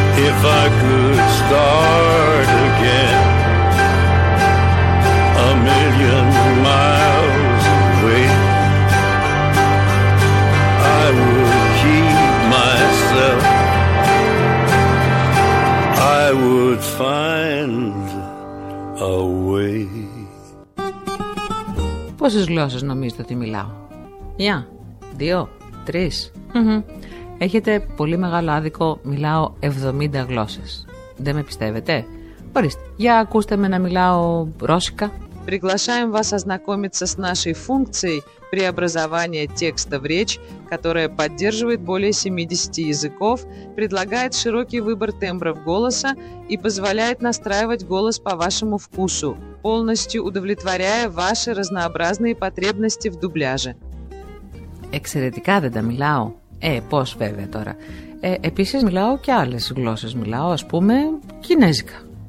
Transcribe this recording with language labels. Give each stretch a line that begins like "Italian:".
English: If I could start again, a million miles away, I would keep myself, I would find a way.
Greek: Πόσες γλώσσες νομίζετε ότι μιλάω? Μια, δύο, τρεις. Έχετε πολύ μεγάλο άδικο, μιλάω 70 γλώσσες. Δεν με πιστεύετε? Ορίστε, για ακούστε με να μιλάω ρώσικα.
Russian: Приглашаем вас ознакомиться с нашей функцией преобразования текста в речь, которая поддерживает более 70 языков, предлагает широкий выбор тембров голоса и позволяет настраивать голос по вашему вкусу, полностью удовлетворяя ваши разнообразные потребности в дубляже.
Greek: Εξαιρετικά δεν τα μιλάω. Πώς βέβαια τώρα. Επίσης μιλάω και άλλες γλώσσες. Μιλάω, ας πούμε, κινέζικα.